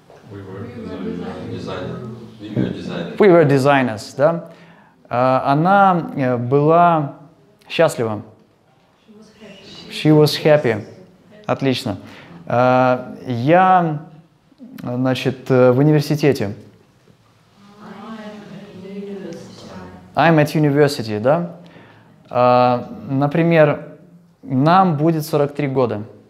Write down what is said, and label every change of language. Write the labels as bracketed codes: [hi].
[en] We were designers, [ru] да? Она была счастлива. [en] She was happy. [ru] Отлично. Я, значит, в университете. [en] I'm at university, да? [ru] Например, нам будет 43 года.